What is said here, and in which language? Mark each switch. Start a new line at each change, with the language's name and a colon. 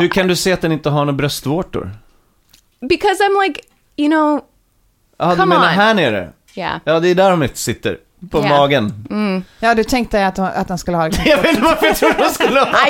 Swedish: hur kan du se att den inte har några bröstvårtor?
English: Because I'm like, you know, ah, come on.
Swedish: Du menar här nere?
English: Yeah.
Swedish: Ja, det är där de sitter, på yeah. magen. Mm. Ja, du tänkte att den skulle ha... Jag vet inte varför jag trodde att den skulle ha...